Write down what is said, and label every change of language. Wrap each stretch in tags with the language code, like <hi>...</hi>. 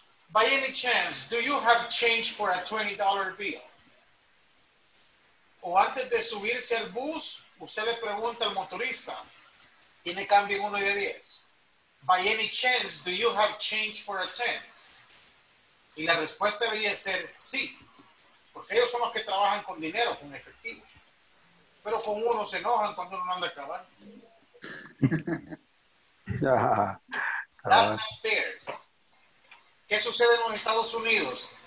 <en>By any chance, do you have change for a $20 bill?</en> <es>O antes de subirse al bus, usted le pregunta al motorista, ¿tiene cambio en uno de 10?</es> <en>By any chance, do you have change for a 10?</en> <es>Y la respuesta debería ser sí. Porque ellos son los que trabajan con dinero, con efectivo. Pero con uno se enojan cuando uno anda a acabar.</es> <en>That's not fair.</en> <es>¿Qué sucede en los Estados Unidos?</es>